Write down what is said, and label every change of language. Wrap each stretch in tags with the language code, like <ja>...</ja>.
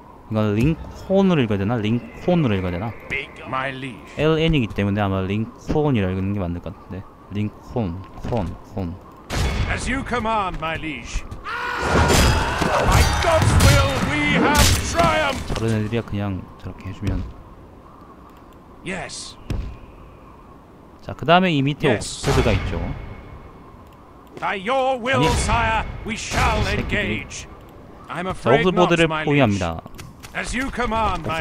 <ko>이건 링콘으로 읽어야 되나? 링콘으로 읽어야 되나? LN이기 때문에 아마 링콘이라 읽는 게 맞는 것 같은데. 링콘, 콘, 콘.</ko> <en>As you command, my liege. By God's will, we have triumph.</en> <ko>다른 애들이야 그냥 저렇게 해주면.</ko> <en>Yes.</en> <ko>자, 그 다음에 이 밑에 yes. 옥스퍼드가 있죠.</ko> <en>By your will, sire, we shall engage. I'm afraid</en> <ko>자, 옥스퍼드를</ko> <en>not,</en> <ko>포위합니다.</ko> <en>As you command, my liege.</en>